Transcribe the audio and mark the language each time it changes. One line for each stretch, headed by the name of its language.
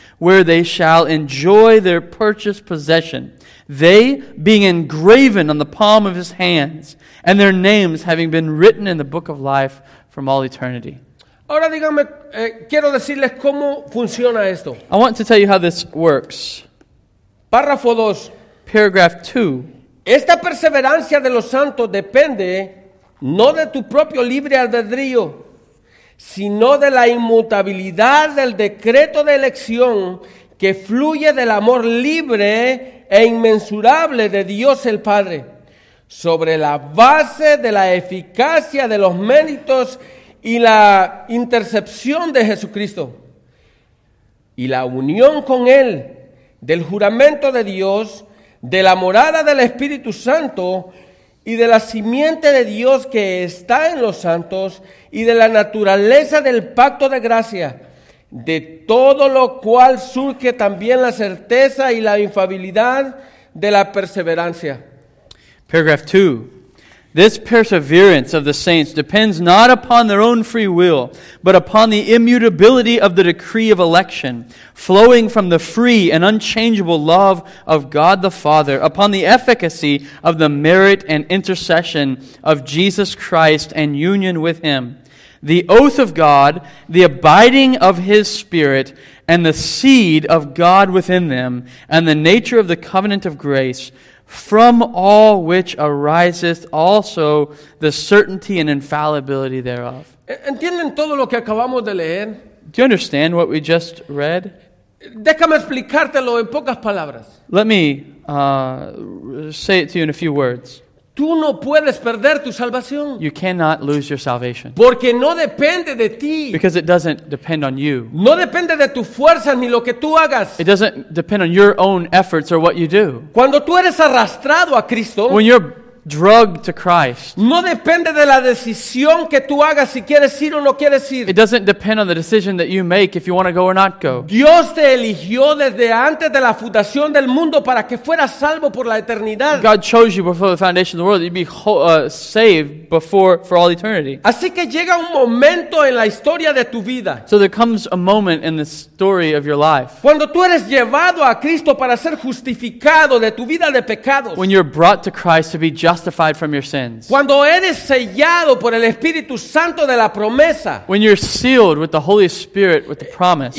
English: where they shall enjoy their purchased possession, they being engraven on the palm of His hands, and their names having been written in the book of life from all eternity.
Spanish: Ahora dígame, quiero decirles cómo funciona esto.
English: I want to tell you how this works.
Spanish: Párrafo 2.
English: Paragraph 2.
Spanish: Esta perseverancia de los santos depende no de tu propio libre albedrío, sino de la inmutabilidad del decreto de elección que fluye del amor libre e inmensurable de Dios el Padre, sobre la base de la eficacia de los méritos y la intercepción de Jesucristo, y la unión con Él del juramento de Dios, de la morada del Espíritu Santo y de la simiente de Dios que está en los santos y de la naturaleza del pacto de gracia, de todo lo cual surge también la certeza y la infalibilidad de la perseverancia.
English: Paragraph 2. This perseverance of the saints depends not upon their own free will, but upon the immutability of the decree of election, flowing from the free and unchangeable love of God the Father, upon the efficacy of the merit and intercession of Jesus Christ and union with Him, the oath of God, the abiding of His Spirit, and the seed of God within them, and the nature of the covenant of grace, from all which ariseth also the certainty and infallibility thereof.
Spanish: ¿Entienden todo lo que acabamos de leer?
English: Do you understand what we just read?
Spanish: Déjame explicártelo en pocas palabras.
English: Let me say it to you in a few words.
Spanish: Tú no puedes perder tu salvación.
English: You cannot lose your salvation.
Spanish: Porque no depende de ti.
English: Because it doesn't depend on you.
Spanish: No depende de tu fuerza ni lo que tú hagas.
English: It doesn't depend on your own efforts or what you do.
Spanish: Cuando tú eres arrastrado a Cristo,
English: when you're drug to Christ.
Spanish: No depende de la decisión que tú hagas si quieres ir o no quieres ir.
English: It doesn't depend on the decision that you make if you want to go or not go.
Spanish: Dios te eligió desde antes de la fundación del mundo para que fueras salvo por la eternidad.
English: God chose you before the foundation of the world. You'd be saved before for all eternity.
Spanish: Así que llega un momento en la historia de tu vida.
English: So there comes a moment in the story of your life.
Spanish: Cuando tú eres llevado a Cristo para ser justificado de tu vida de pecados.
English: When you're brought to Christ to be justified from your sins.
Spanish: Cuando eres sellado por el Espíritu Santo de la promesa.
English: When you're sealed with the Holy Spirit with the promise.